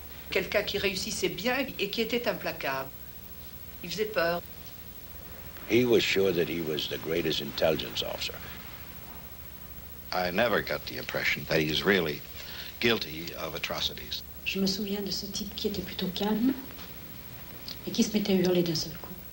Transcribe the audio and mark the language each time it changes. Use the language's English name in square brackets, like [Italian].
[French] Quelqu'un qui réussissait bien et qui était implacable. Il faisait peur. [English] He was sure that he was the greatest intelligence officer. I never got the impression that he's really guilty of atrocities. [French] Je me souviens de ce type qui était plutôt calme et qui se mettait à hurler d'un seul coup.